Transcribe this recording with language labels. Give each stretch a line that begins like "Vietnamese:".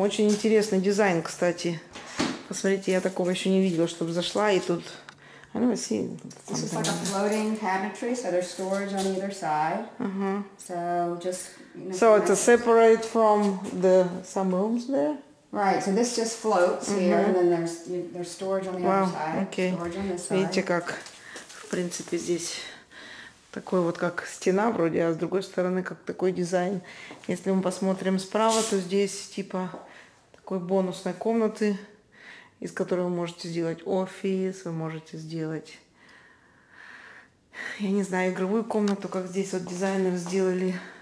Russian: Очень интересный дизайн, кстати. Посмотрите, я такого еще не видела, чтобы зашла и тут.
English: I don't see. This is like a floating cabinetry, so there's storage on either side. So just. So it's a separate from the some rooms there. Right, so this just floats here, and then there's storage on the other side. Okay. Storage on this side.
Russian: Видите, как в принципе здесь. Такой вот как стена вроде, а с другой стороны как такой дизайн. Если мы посмотрим справа, то здесь типа такой бонусной комнаты, из которой вы можете сделать офис, вы можете сделать, я не знаю, игровую комнату, как здесь вот дизайнеры сделали.